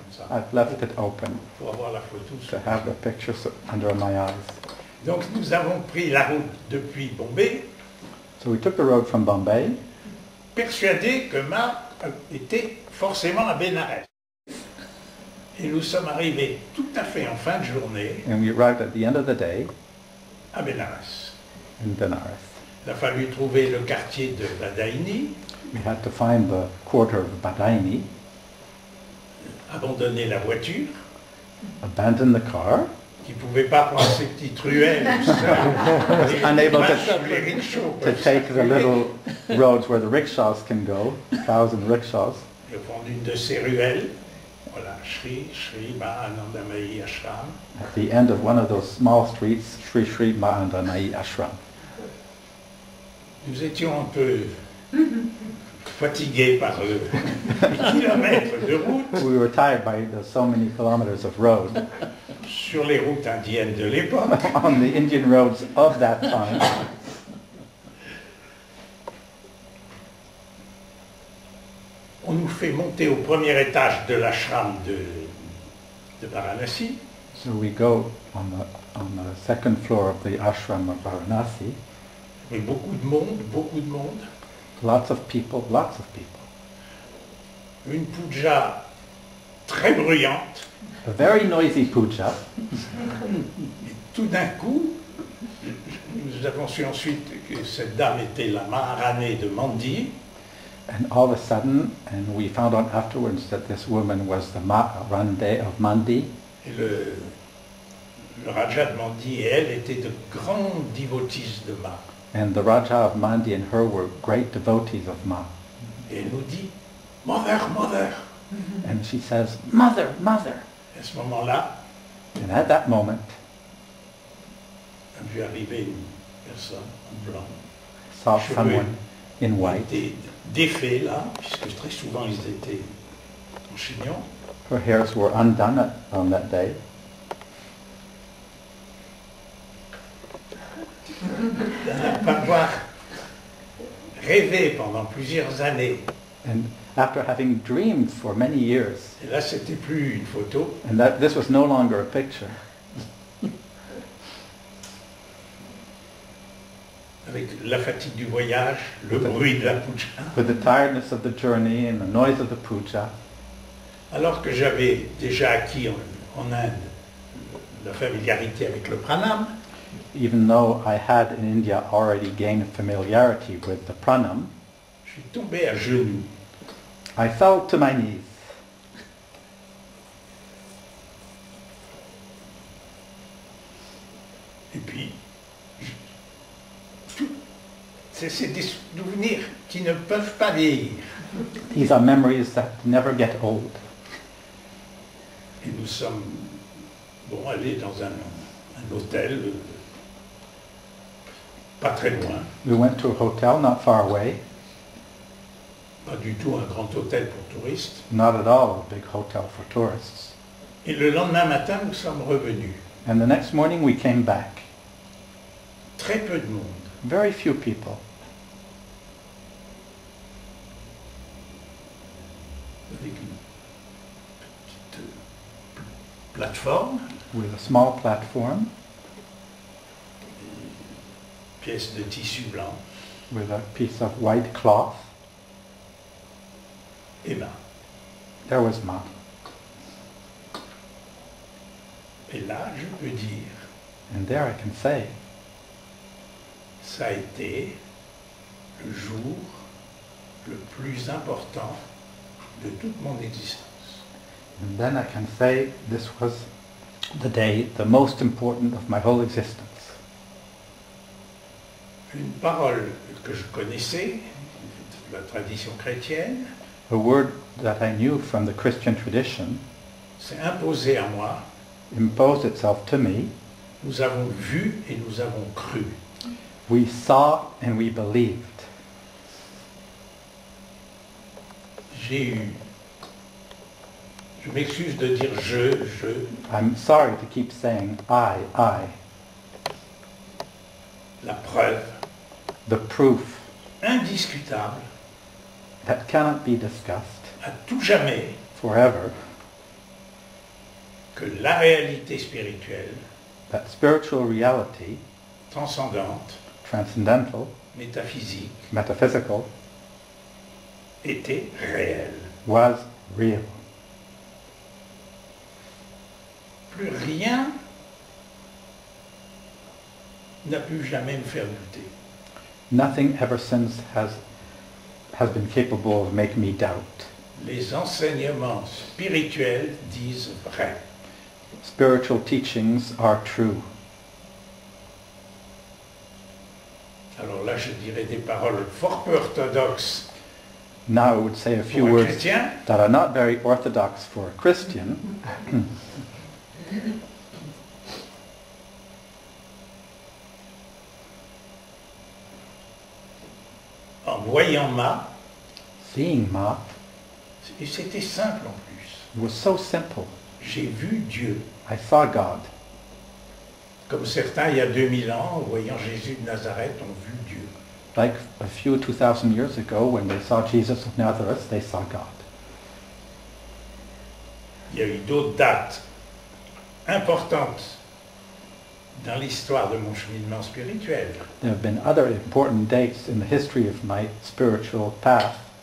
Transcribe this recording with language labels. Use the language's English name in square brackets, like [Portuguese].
[English] I've left it open to have the pictures under my eyes. [French] Donc nous avons pris la route depuis Bombay. [English] So we took the road from Bombay. [French] Persuadé que Ma était forcément à Benares. Et nous sommes arrivés tout à fait en fin de journée. [English] And we arrived at the end of the day. [French] À Benares. [English] In Benares. [French] Il a fallu trouver le quartier de Badaini. [English] We had to find the quarter of Badaini. [French] Abandonner la voiture. [English] Abandon the car. [French] Qui ne pouvait pas prendre ces petites ruelles. [English] Unable to take the little roads where the rickshaws can go, 1,000 rickshaws. [French] Et prendre une de ces ruelles. Voilà, Shri Ma Anandamayi Ashram. [English] At the end of one of those small streets, Shri Ma Anandamayi Ashram. [French] Nous étions un peu fatigués par le kilomètres de route. [English] We were tired by the so many kilometers of road. [French] Sur les routes indiennes de l'époque. [English] On the Indian roads of that time. [French] On nous fait monter au premier étage de l'ashram de Varanasi. [English] So we go on the second floor of the ashram of Varanasi. [French] Mais beaucoup de monde, beaucoup de monde. [English] Lots of people, lots of people. [French] Une puja très bruyante. [English] A very noisy puja. [French] Et tout d'un coup, nous avons su ensuite que cette dame était la Maharani de Mandi. [English] And all of a sudden, and we found out afterwards that this woman was the Maharani of Mandi. [French] Et le Raja de Mandi et elle étaient de grandes devotees de Ma. [English] And the Raja of Mandi and her were great devotees of Ma. [French] Et elle nous dit, [English] mother, mother. And she says, mother, mother. [French] À ce moment-là, [English] and at that moment, I saw [French] arriver une personne en blanc, [English] saw someone in white. [French] Était défait là, puisque très souvent ils étaient en chignon. [English] Her hairs were undone on that day. [French] Avoir rêvé pendant plusieurs années. [English] And after having dreamed for many years. [French] Et là, c'était plus une photo. [English] And that this was no longer a picture. [French] Avec la fatigue du voyage, le bruit de la puja. [English] With the tiredness of the journey and the noise of the puja. [French] Alors que j'avais déjà acquis en Inde la familiarité avec le pranam. [English] Even though I had in India already gained familiarity with the pranam, [French] je suis tombé à genoux. [English] I fell to my knees. [French] Et puis, c'est des souvenirs qui ne peuvent pas vieillir. [English] These are memories that never get old. [French] Et nous sommes allés dans un hôtel. Pas très loin. [English] We went to a hotel not far away. [French] Pas du tout un grand hôtel pour touristes. [English] Not at all a big hotel for tourists. [French] Et le lendemain matin, nous sommes revenus. [English] And the next morning, we came back. [French] Très peu de monde. [English] Very few people. [French] Avec une petite plateforme. [English] With a small platform. [French] Pièce de tissu blanc. [English] With a piece of white cloth. [French] Et Ma. [English] There was Ma. [French] Et là, je peux dire. [English] And there I can say. [French] Ça a été le jour le plus important de toute mon existence. [English] And then I can say this was the day the most important of my whole existence. [French] Une parole que je connaissais, de la tradition chrétienne. [English] A word that I knew from the Christian tradition. [French] S'est imposée à moi. [English] Imposed itself to me. [French] Nous avons vu et nous avons cru. [English] We saw and we believed. [French] J'ai eu. Je m'excuse de dire je. [English] I'm sorry to keep saying I. [French] La preuve. [English] The proof. [French] indiscutable, [English] that cannot be discussed, [French] à tout jamais, [English] forever, [French] que la réalité spirituelle, [English] that spiritual reality, [French] transcendante, [English] transcendental, [French] métaphysique, [English] metaphysical, [French] était réelle, [English] was real. [French] Plus rien n'a pu jamais me faire douter. [English] Nothing ever since has been capable of making me doubt. [French] Les enseignements spirituels disent vrai. [English] Spiritual teachings are true. [French] Alors là, je dirais des paroles fort peu orthodoxes. [English] Now I would say a few [French] pour un [English] words [French] chrétien. [English] That are not very orthodox for a Christian. [French] En voyant Ma, [English] seeing Ma, [French] et c'était simple en plus. [English] It was so simple. [French] J'ai vu Dieu. [English] I saw God. [French] Comme certains il y a 2000 ans, voyant Jésus de Nazareth, ont vu Dieu. [English] Like a few 2000 years ago, when they saw Jesus of Nazareth, they saw God. [French] Il y a eu d'autres dates importantes dans l'histoire de mon cheminement spirituel. [English] There have been other important dates in the history of my spiritual path.